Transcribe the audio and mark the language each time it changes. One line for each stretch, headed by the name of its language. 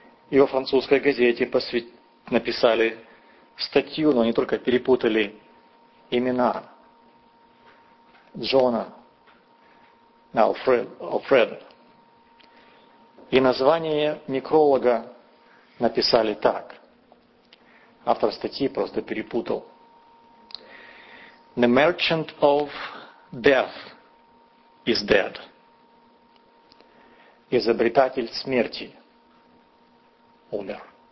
Russian: И во французской газете написали статью, но они только перепутали имена Джона на Алфреда. И название некролога написали так. Автор статьи просто перепутал.
English: The merchant of death is dead.
Russian: Изобретатель смерти умер.